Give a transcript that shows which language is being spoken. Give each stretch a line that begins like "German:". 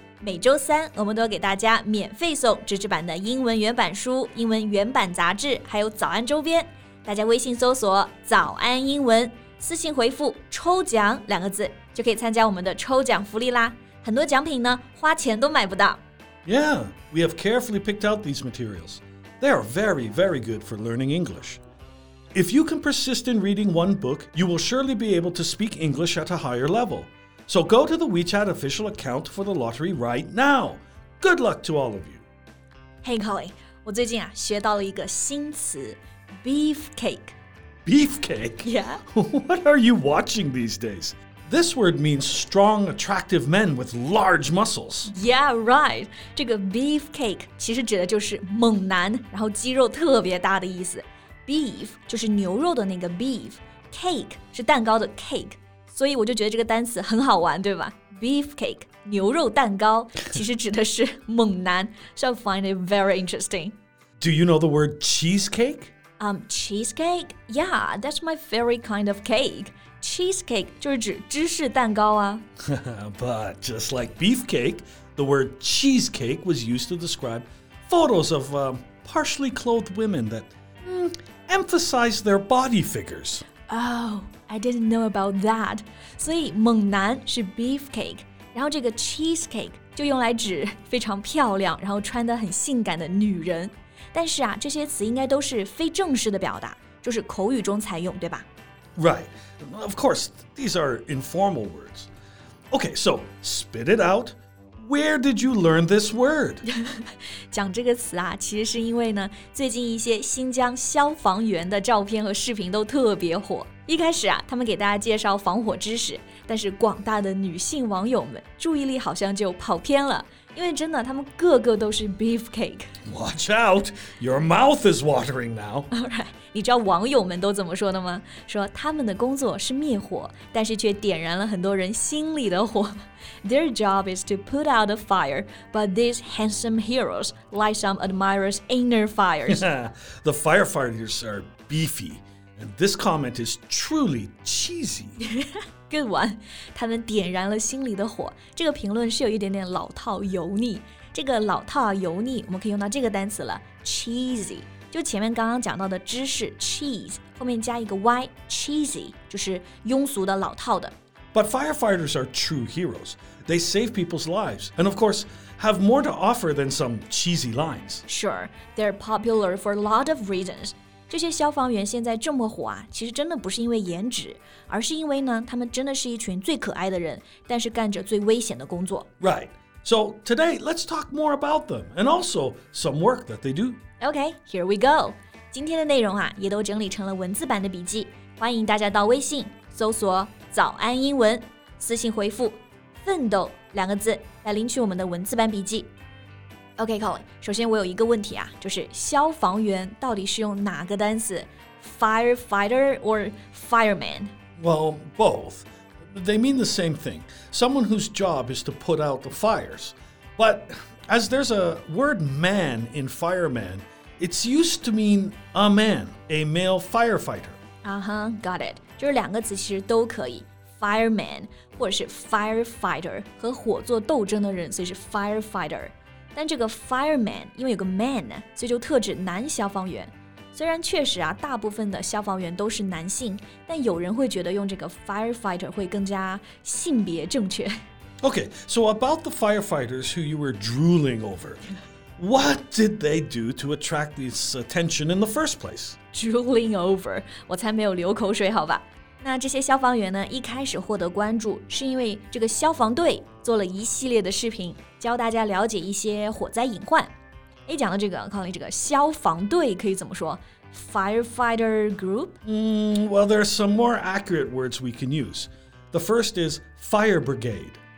Chinese: 每周三我们都给大家免费送纸质版的英文原版书、英文原版杂志，还有早安周边。大家微信搜索早安英文，私信回复抽奖两个字，就可以参加我们的抽奖福利啦。很多奖品呢，花钱都买不到。
English: Yeah, we have carefully picked out these materials. They are very, very good for learning English. If you can persist in reading one book, you will surely be able to speak English at a higher level. So go to the WeChat official account for the lottery right now. Good luck to all of you. Hey, Colin,
Chinese: 我最近啊学到了一个新词 beefcake.
English: Beefcake? Yeah. What are you watching these days? This word means strong, attractive men with large muscles. Yeah, right.
Chinese: 这个 beefcake 其实指的就是猛男，然后肌肉特别大的意思。 Beef 就是牛肉的那个 beef. Cake 是蛋糕的 cake. 所以我就觉得这个单词很好玩，对吧？Beefcake, 牛肉蛋糕，其实指的是猛男。
English: So I find it very interesting. Do you know the word cheesecake? Cheesecake? Yeah, that's my favorite kind of cake.
Chinese: Cheesecake 就是指芝士蛋糕啊。
English: But just like beefcake, the word cheesecake was used to describe photos of partially clothed women that emphasize their body figures. Oh, I didn't know about that.
Chinese: 所以猛男是 beefcake, 然后这个 cheesecake 就用来指非常漂亮然后穿得很性感的女人。但是啊这些词应该都是非正式的表达就是口语中才用对吧
English: Right. Of course, these are informal words. Okay, so spit it out. Where did you learn this word?
Chinese: 讲这个词啊，其实是因为呢，最近一些新疆消防员的照片和视频都特别火。一开始啊，他们给大家介绍防火知识，但是广大的女性网友们注意力好像就跑偏了，因为真的，他们个个都是 beefcake.
English: Watch out! Your mouth is watering now.
Chinese: Alright, 你知道网友们都怎么说的吗？说他们的工作是灭火，但是却点燃了很多人心里的火。
English: Their job is to put out a fire, but these handsome heroes light some admirers' inner fires. The firefighters are beefy. And this comment is truly cheesy. Good one.
Chinese: 他们点燃了心里的火。这个评论是有一点点老套油腻。这个老套油腻我们可以用到这个单词了 cheesy. 就前面刚刚讲到的芝士 cheese, 后面加一个 y, cheesy, 就是庸俗的老套的。
English: But firefighters are true heroes. They save people's lives. And of course, have more to offer than some cheesy lines. Sure, they're popular for a lot of reasons.
Chinese: 这些消防员现在这么火啊，其实真的不是因为颜值，而是因为呢，他们真的是一群最可爱的人，但是干着最危险的工作。
English: Right. So today, let's talk more about them, and also some work that they do. Okay, here we go.
Chinese: 今天的内容啊，也都整理成了文字版的笔记，欢迎大家到微信搜索“早安英文”，私信回复“奋斗”两个字来领取我们的文字版笔记。
English: OK, Colin,
Chinese: 首先我有一个问题啊，就是消防员到底是用哪个单词
English: firefighter or fireman? Well, both. They mean the same thing. Someone whose job is to put out the fires. But as there's a word man in fireman, it's used to mean a man, a male firefighter. Uh-huh, got it.
Chinese: 就是两个词其实都可以。Fireman, 或者是 firefighter, 和火做斗争的人，所以是 firefighter. 但这个 fireman 因为有个 man 所以就特指男消防员虽然确实啊大部分的消防员都是男性但有人会觉得用这个 firefighter 会更加性别正确
English: Okay, so about the firefighters who you were drooling over What did they do to attract this attention in the first place? Drooling over
Chinese: 我才没有流口水好吧那这些消防员呢一开始获得关注是因为这个消防队做了一系列的视频教大家了解一些火灾隐患。 A 讲的这个康林这个消防队可以怎么说 ?
English: Firefighter group? Well, there are some more accurate words we can use. The first is fire brigade.